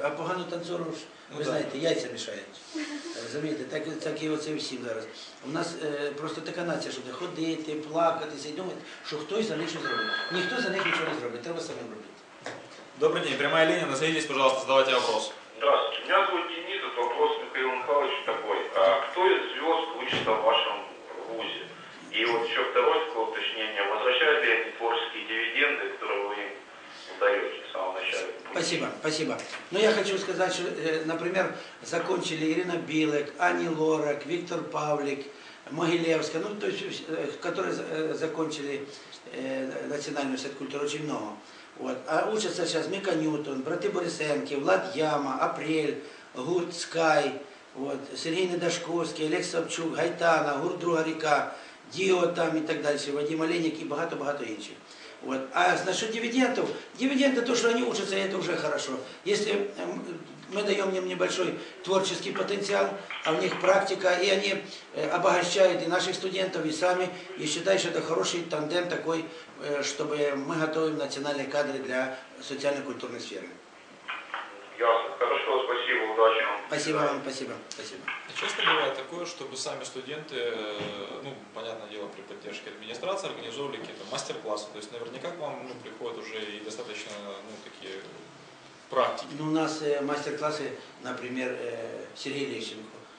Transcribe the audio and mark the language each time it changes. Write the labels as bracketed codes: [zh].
[uk] А погано танцору ж, ви знаєте, яйця мішають. Розумієте, так і оце всім зараз. У нас просто така нація, щоб ходити, плакатися і думати, що хтось за них щось зробить. Ніхто за них нічого не зробить, треба самим робити. Добрий день, пряма лінія, назвіть, будь ласка, [ru] задавайте вопрос. Здравствуйте, меня зовут Денис, это вопрос Михаилу Михайловичу такой. А кто из звезд учится в вашем вузе? И вот еще второе такое уточнение. Возвращают ли они творческие дивиденды, которые вы им даете в самом начале? Спасибо, спасибо. Ну, я хочу сказать, что, например, закончили Ирина Билек, Ани Лорак, Виктор Павлик, Могилевская, ну, то есть, которые закончили Национальный университет культуры, очень много. [uk] От. А учаться зараз Міка Ньютон, брати Борисенки, Влад Яма, Апрель, гурт Скай, от. Сергій Недашковський, Олег Савчук, Гайтана, гурт Друга Ріка, Діо там і так далі, Вадим Оленік і багато-багато інших. От. А значить дивідендів? Дивіденди – те, що вони вчаться, це вже добре. Якщо ми даємо їм небольшой творчий потенціал, а в них практика, і вони обогащають і наших студентів, і самі, і вважаю, що це хороший тандем такий, щоб ми готуємо національні кадри для соціально-культурної сфери. [ru] Спасибо, удачи вам. Спасибо вам, спасибо, спасибо. А часто бывает такое, чтобы сами студенты, ну, понятное дело, при поддержке администрации организовывали какие-то мастер-классы? То есть наверняка к вам приходят уже и достаточно, ну, такие практики. Ну, у нас мастер-классы, например, Сергей Лещенко.